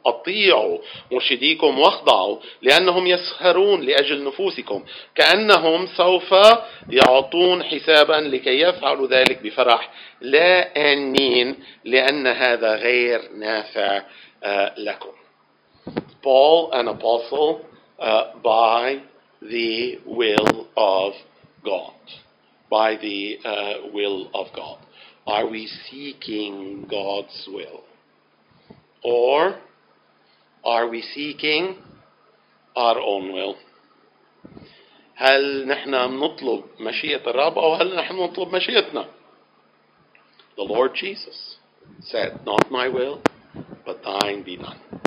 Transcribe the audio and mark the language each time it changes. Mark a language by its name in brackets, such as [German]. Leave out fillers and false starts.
[Arabic] أطيعوا مرشديكم واخضعوا لأنهم يسخرون لأجل نفوسكم كأنهم سوف يعطون حسابا لكي يفعلوا ذلك بفرح لا أنين لأن هذا غير نافع لكم. [English] Paul, an apostle, by the will of God. By the will of God. Are we seeking God's will? Or are we seeking our own will? [Arabic] هل نحن نطلب مشيئة الرب أو هل نحن نطلب مشيئتنا? [English] The Lord Jesus said, not my will, but thine be done.